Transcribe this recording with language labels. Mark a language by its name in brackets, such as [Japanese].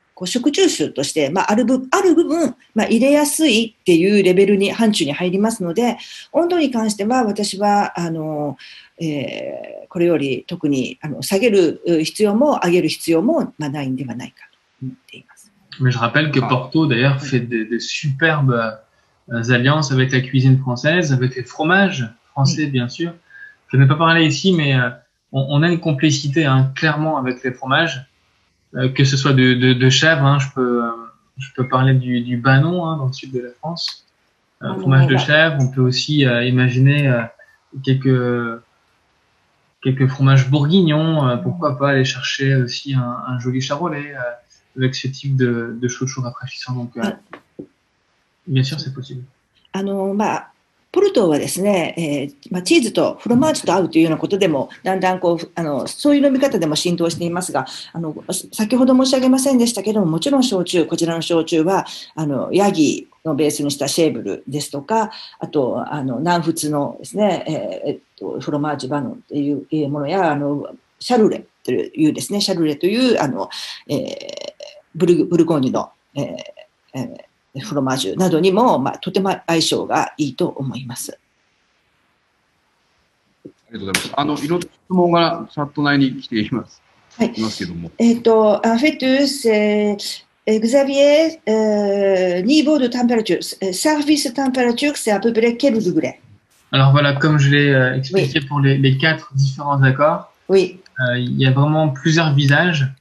[Japanese] 食中酒として、まあ、ある部分、まあ、入れやすいっていうレベルに範疇に入りますので、温度に関しては私はあの、これより特にあの下げる必要も上げる必要も、まあ、ないんではないかと [French] Mais je rappelle que Porto, d'ailleurs, fait des superbes alliances avec la cuisine française, avec les fromages français, bien sûr. Je n'ai pas parlé ici, mais on a une complicité, hein, clairement, avec les fromages, que ce soit de chèvre, hein, je peux parler du Bannon, hein, dans le sud de la France. Fromage de chèvre, on peut aussi imaginer quelques fromages bourguignons, pourquoi pas aller chercher aussi un joli charolais avec ce type de chouchou rafraîchissant. Donc, bien sûr, c'est possible. [Japanese] ポルトはですね、チーズとフロマージュと合うというようなことでも、だんだんこう、そういう飲み方でも浸透していますが、先ほど申し上げませんでしたけども、もちろん焼酎、こちらの焼酎は、ヤギのベースにしたシェーブルですとか、あと、南仏のですね、フロマージュバノンというものや、シャルレというですね、シャルレという、ブルゴーニュの、フロマージュなどにも、まあ、とても相性がいいと思います。ありがとうございます。いろんな質問がチャット内に来ています。はい。いますけども。 [French] En fait, Xavier, niveau de température, service température, c'est à peu près quel degré? Alors voilà, comme je l'ai expliqué pour les quatre différents accords, oui. Il y a vraiment plusieurs visages.